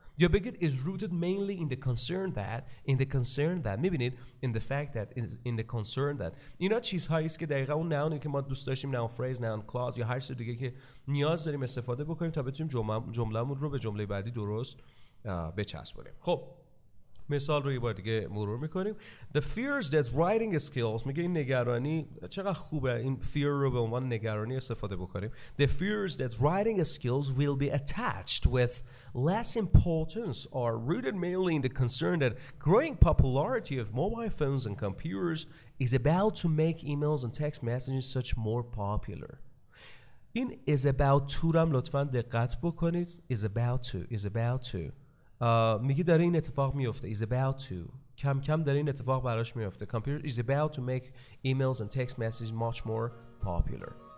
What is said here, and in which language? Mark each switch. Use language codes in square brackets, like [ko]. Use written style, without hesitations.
[fa] یا بگید [en] is rooted mainly in the concern that [fa] میبینید [en] in the fact that in the concern that [fa] اینا چیزهاییست که دقیقا اون نونی که ما دوست داشتیم [en] noun phrase noun clause [fa] یا هر چیز دیگه که نیاز داریم استفاده بکنیم تا بتونیم جملهمون رو به جمله بعدی درست بچسبونیم. خب مثال رو یه بار دیگه مرور میکنیم. [en] The fears that writing skills [fa] میگه این نگرانی چقدر خوبه این fear رو به عنوان نگرانی استفاده بکنیم. [en] The fears that writing skills will be attached with less importance are rooted mainly in the concern that growing popularity of mobile phones and computers is about to make emails and text messages such more popular. [fa] این [en] is about to [fa] رو هم لطفاً دقت بکنید. [en] Is about to [fa] میگه داره این اتفاق میفته. Is about to. کم کم داره این اتفاق براش میفته. [en] Computer is about to make emails and text messages much more popular.